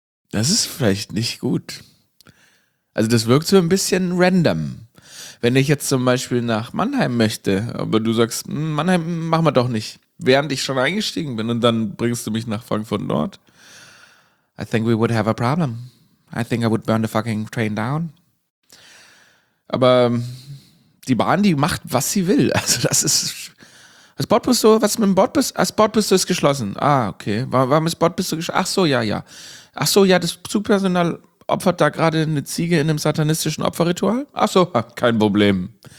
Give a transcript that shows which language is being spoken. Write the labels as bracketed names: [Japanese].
[German] Das ist vielleicht nicht gut. Also das wirkt so ein bisschen random. Wenn ich jetzt zum Beispiel nach Mannheim möchte, aber du sagst, Mannheim machen wir doch nicht, während ich schon eingestiegen bin und dann bringst du mich nach Frankfurt Nord. [English] I think we would have a problem. I think I would burn the fucking train down. [German] Aber die Bahn, die macht, was sie will. Also das ist... Das Bordbistro, was mit dem Bordbistro? Das Bordbistro ist geschlossen. Ah, okay. Warum ist Bordbistro geschlossen? Ach so, ja, ja. Ach so, ja, das Zugpersonal opfert da gerade eine Ziege in einem satanistischen Opferritual? Ach so, kein Problem.